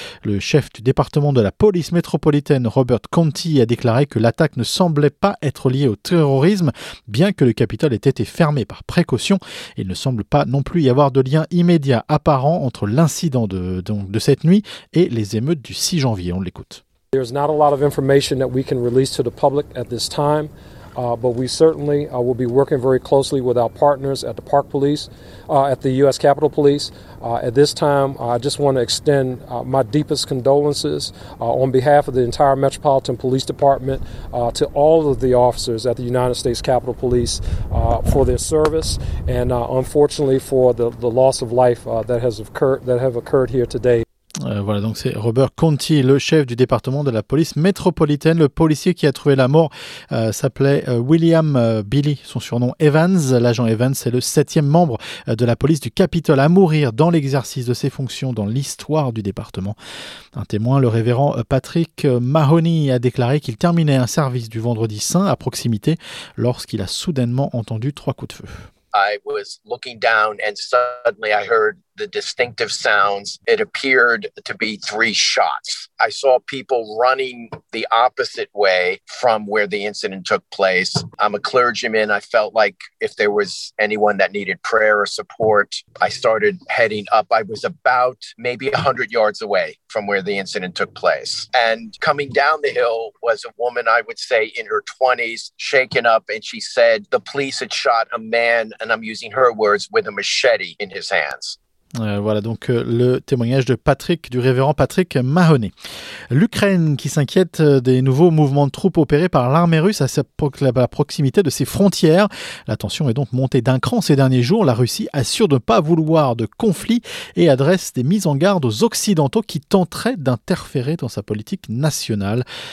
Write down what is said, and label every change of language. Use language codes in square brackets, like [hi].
[fr] Le chef du département de la police métropolitaine, Robert Conti, a déclaré que l'attaque ne semblait pas être liée au terrorisme, bien que le Capitole ait été fermé par précaution. Il ne semble pas non plus y avoir de lien immédiat apparent entre l'incident de cette nuit et les émeutes du 6 janvier. On l'écoute. [en] There's not a lot of information that we can release to the public at this time, but we certainly will be working very closely with our partners at the Park Police, at the U.S. Capitol Police. At this time, I just want to extend my deepest condolences on behalf of the entire Metropolitan Police Department to all of the officers at the United States Capitol Police for their service and unfortunately for the loss of life that have occurred here today. [fr] Voilà, donc c'est Robert Conti, le chef du département de la police métropolitaine. Le policier qui a trouvé la mort s'appelait William Billy, son surnom Evans. L'agent Evans est le 7e membre de la police du Capitole à mourir dans l'exercice de ses fonctions dans l'histoire du département. Un témoin, le révérend Patrick Mahoney, a déclaré qu'il terminait un service du Vendredi Saint à proximité lorsqu'il a soudainement entendu 3 coups de feu. [en] I was looking down and suddenly I heard the distinctive sounds. It appeared to be 3 shots. I saw people running the opposite way from where the incident took place. I'm a clergyman. I felt like if there was anyone that needed prayer or support, I started heading up. I was about maybe 100 yards away from where the incident took place. And coming down the hill was a woman, I would say, in her 20s, shaken up. And she said the police had shot a man, and I'm using her words, with a machete in his hands. [fr] Voilà donc le témoignage de Patrick, du révérend Patrick Mahoney. L'Ukraine qui s'inquiète des nouveaux mouvements de troupes opérés par l'armée russe à la proximité de ses frontières. La tension est donc montée d'un cran ces derniers jours. La Russie assure de ne pas vouloir de conflit et adresse des mises en garde aux Occidentaux qui tenteraient d'interférer dans sa politique nationale.